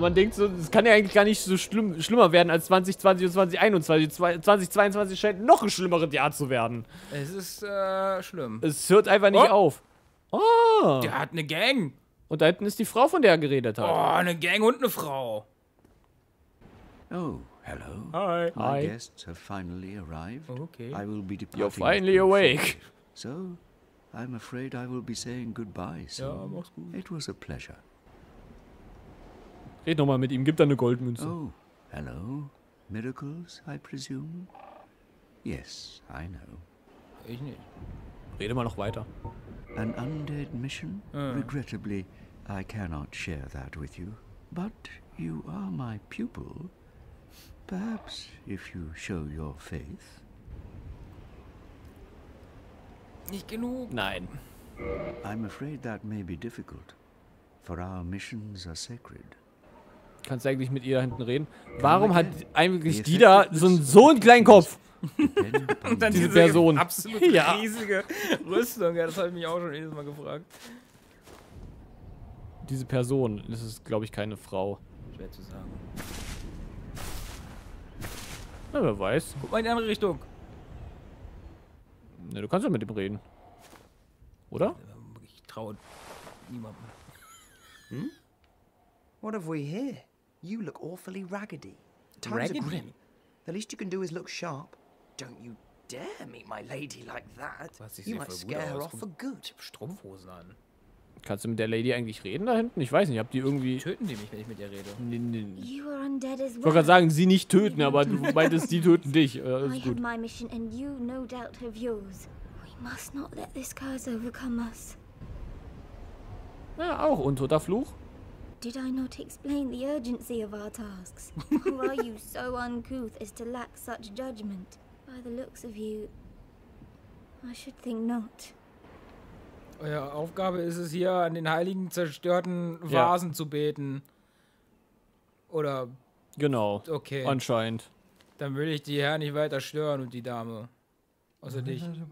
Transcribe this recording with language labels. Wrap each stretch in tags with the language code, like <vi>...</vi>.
<de>Man denkt so, es kann ja eigentlich gar nicht so schlimmer werden als 2020 und 2021. 2022 scheint noch ein schlimmeres Jahr zu werden. Es ist schlimm. Es hört einfach nicht auf. Oh. Der hat eine Gang. Und da hinten ist die Frau, von der er geredet hat. Oh, eine Gang und eine Frau.</de> <en>Oh, hello. Hi. My guests have finally arrived. Okay. I will be departing. You're finally awake. So, I'm afraid I will be saying goodbye soon.</en> <de>Ja, mach's gut.</de> <en>It was a pleasure.</en> <de>Red nochmal mit ihm, gib da eine Goldmünze.</de> <en>Oh, hello. Miracles, I presume? Yes, I know.</en> <de>Ich nicht. Rede mal noch weiter.</de> <en>An undead mission? Regrettably, I cannot share that with you. But you are my pupil. Perhaps if you show your faith.</en> <de>Nicht genug. Nein.</de> <en>I'm afraid that may be difficult. For our missions are sacred.</en> <de>Kannst du eigentlich mit ihr da hinten reden? Warum hat eigentlich die da so einen kleinen Kopf? Und dann diese Person. Absolut ja. Riesige Rüstung. Ja, das habe ich mich auch schon jedes Mal gefragt. Diese Person, das ist, glaube ich, keine Frau. Schwer zu sagen. Na, wer weiß. Guck mal in die andere Richtung. Na, du kannst ja mit ihm reden. Oder? Ich traue niemandem.</de> <en>What have we here? You look awfully raggedy. Raggedy? The least you can do is look sharp. Don't you dare meet my lady like that. You might scare her off for good.</en> <de>Ich hab Strumpfhosen an. Kannst du mit der Lady eigentlich reden da hinten? Ich weiß nicht, habt ihr irgendwie... Töten die mich, wenn ich mit ihr rede? Nee.</de> <en>You are undead as well.</en> <de>Ich wollte gerade sagen, sie nicht töten, aber du meintest, sie töten dich. Ist gut.</de> <en>I have my mission and you no doubt have yours. We must not let this curse overcome us.</en> <de>Ja, auch untoter Fluch.</de> <en>Did I not explain the urgency of our tasks? Who are you so uncouth as to lack such judgment? By the looks of you, I should think not.</en> <de>Eure Aufgabe ist es hier, an den heiligen zerstörten Vasen zu beten. Oder? Genau. Okay. Anscheinend. Dann will ich die Herren nicht weiter stören und die Dame. Außer dich.</de>